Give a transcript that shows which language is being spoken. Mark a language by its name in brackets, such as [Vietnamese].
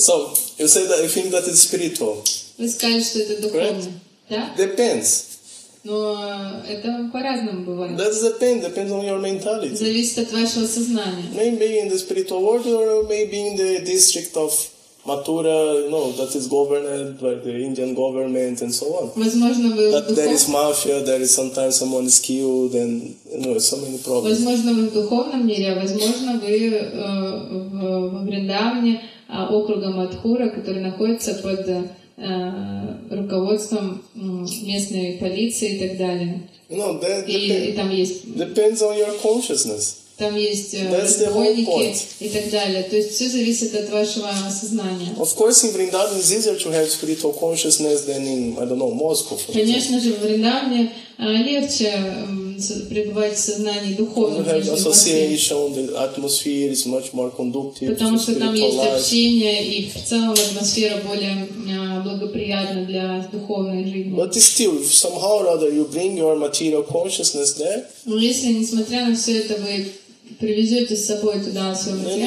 [English] So you say that you think that it's spiritual. [Russian] Вы сказали, что это духовно. [English] Depends. [Russian] Но это по-разному бывает. [English] That's the pain. Depends on your mentality. [Russian] Зависит от вашего сознания. [English] Maybe in the spiritual world, or maybe in the district of Mathura, you know, that is governed by the Indian government and so on. [Russian] Возможно, вы [English] that there is mafia, there is sometimes someone is killed, and you know, so many problems. [Russian] Возможно, вы в духовном мире, а возможно, вы в Вриндаване, округа Мадхура, который находится под руководством местной полиции и так далее. [English] No, that [Russian] и там есть. [English] Depends on your consciousness. [Russian] Там есть разбойники и так далее. То есть все зависит от вашего сознания. [English] Of course, in Vrindavan it's easier to have spiritual consciousness than in, I don't know, Moscow. [Russian] Конечно же, в Вриндавне легче пребывать в сознании духовном. [English] You have association, the atmosphere is much more conducive. [Russian] Потому что там есть общение и в целом атмосфера более благоприятна для духовной жизни. [English] But still, somehow or other, you bring your material consciousness there. [Russian] Но если, несмотря на все это, вы привезете с собой туда свою